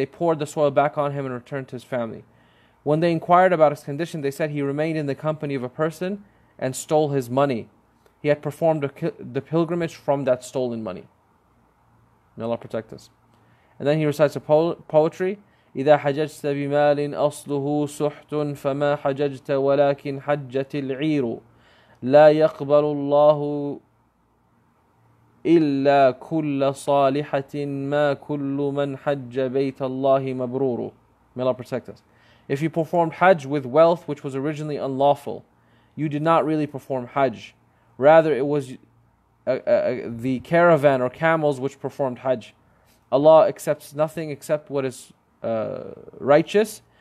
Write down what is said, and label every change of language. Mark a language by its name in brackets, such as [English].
[English] They poured the soil back on him and returned to his family. When they inquired about his condition, they said he remained in the company of a person and stole his money. He had performed the pilgrimage from that stolen money. May Allah protect us. And then he recites a poetry. [Arabic] إذا حججت بمال أصله سحت فما حججت ولكن حجت العير لا يقبل الله إلا كل صالحة ما كل من حج بيت الله مبرور. [English] May Allah protect us. If you performed Hajj with wealth which was originally unlawful, you did not really perform Hajj. Rather, it was the caravan or camels which performed Hajj. Allah accepts nothing except what is righteous.